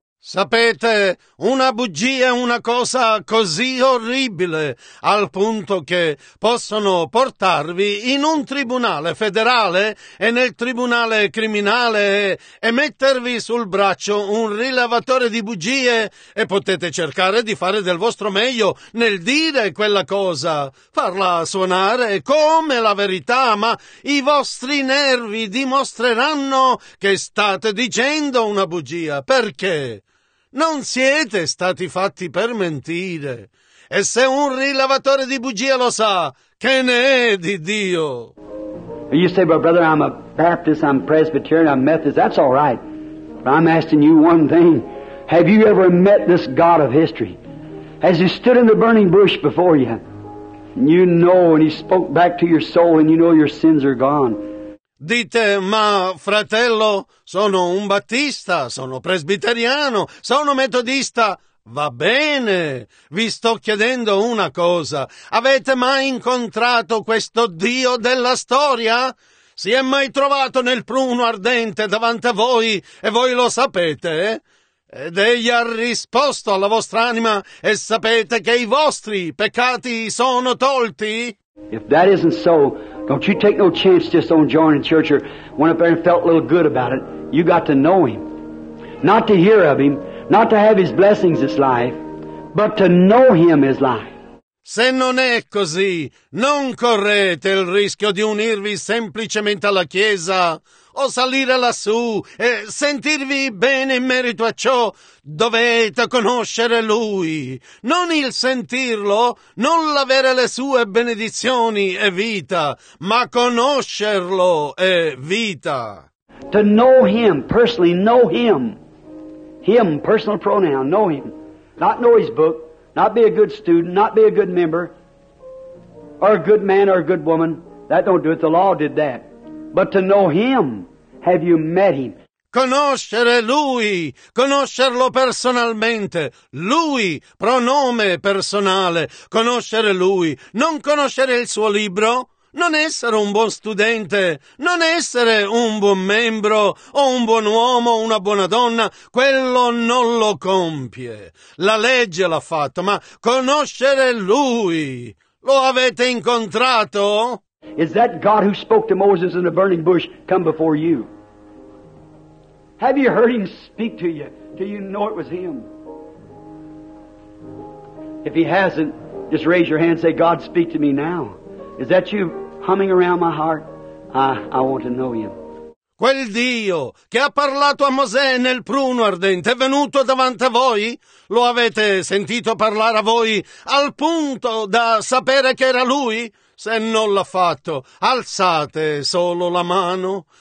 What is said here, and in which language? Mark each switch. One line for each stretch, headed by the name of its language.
Italian: Sapete, una bugia è una cosa così orribile al punto che possono portarvi in un tribunale federale e nel tribunale criminale e mettervi sul braccio un rilevatore di bugie e potete cercare di fare del vostro meglio nel dire quella cosa, farla suonare come la verità, ma i vostri nervi dimostreranno che state dicendo una bugia. Perché? Non siete stati fatti per mentire. E se un rilevatore di bugie lo sa, che ne è di Dio?
English: You say, but brother, I'm a Baptist, I'm Presbyterian, I'm Methodist. That's all right. But I'm asking you one thing. Have you ever met this God of history? Has he stood in the burning bush before you? And you know, and he spoke back to your soul, and you know your sins are gone.
Italian: Dite, ma fratello, sono un battista, sono presbiteriano, sono metodista. Va bene, vi sto chiedendo una cosa. Avete mai incontrato questo Dio della storia? Si è mai trovato nel pruno ardente davanti a voi e voi lo sapete? Ed egli ha risposto alla vostra anima e sapete che i vostri peccati sono tolti?
English: If that isn't so, don't you take no chance just on joining church or went up there and felt a little good about it. You got to know him. Not to hear of him, not to have his blessings as life, but to know him as life.
Italian: Se non è così, non correte il rischio di unirvi semplicemente alla Chiesa o salire lassù e sentirvi bene in merito a ciò. Dovete conoscere Lui, non il sentirlo, non l'avere le sue benedizioni e vita, ma conoscerlo e vita.
English: To know Him personally, know Him. Him, personal pronoun, know Him. Not know His book. Not be a good student, not be a good member, or a good man or a good woman. That don't do it. The law did that. But to know Him, have you met Him?
Italian: Conoscere Lui, conoscerlo personalmente. Lui, pronome personale. Conoscere Lui, non conoscere il suo libro. Non essere un buon studente, non essere un buon membro, o un buon uomo, una buona donna, quello non lo compie. La legge l'ha fatto, ma conoscere Lui, lo avete incontrato?
English: Is that God who spoke to Moses in the burning bush come before you? Have you heard Him speak to you? Do you know it was Him? If He hasn't, just raise your hand and say, God, speak to me now. Is that you humming around my heart? I want to know Him.
Italian: Quel Dio che ha parlato a Mosè nel pruno ardente è venuto davanti a voi? Lo avete sentito parlare a voi al punto da sapere che era Lui? Se non l'ha fatto, alzate solo la mano.